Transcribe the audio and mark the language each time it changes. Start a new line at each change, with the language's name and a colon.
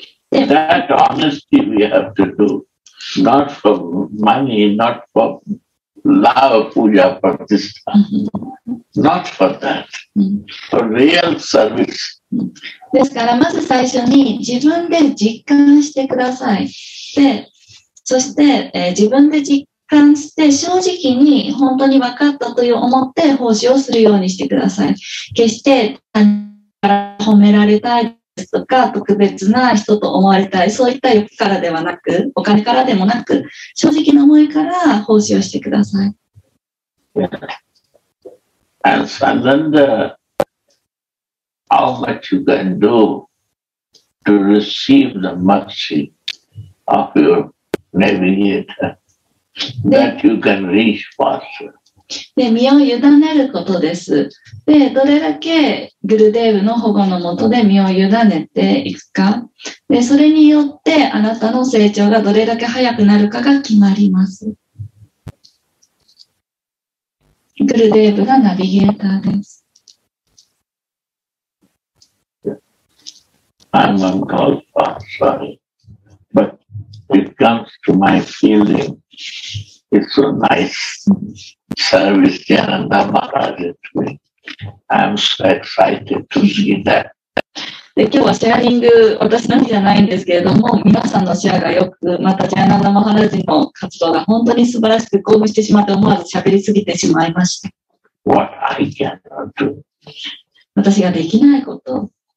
English: That honesty we have to do, not for money, not for love, puja, pratistha, not for that, for real service.
Japanese: ですから、まず最初に自分で実感してください。で、そして、自分で実感して正直に本当に分かったという思って奉仕をするようにしてください。決して他から褒められたい。とか特別な人と思われたい、そういった欲からではなく、お金からでもなく、正直な思いから奉仕をしてください。
English: Yeah. And surrender how much you can do to receive the mercy of your navigator that you can reach faster.
Japanese: で、身を委ねることです。で、どれだけグルデーブの保護のもとで身を委ねていくか。で、それによってあなたの成長がどれだけ早くなるかが決まります。グルデーブがナビゲーターです。
English: I'm uncalled for, sorry. But it comes to my feeling. It's so nice service Jananda Maharaj is doing. I'm so excited to see that.
Japanese: で今日はシェアリング、私のみじゃないんですけれども、皆さんのシェアがよく、またジャーナナ・マハラジの活動が本当に素晴らしく興奮してしまって、思わず喋りすぎてしまいました。
English: What I cannot do.
Japanese: 私ができないこと。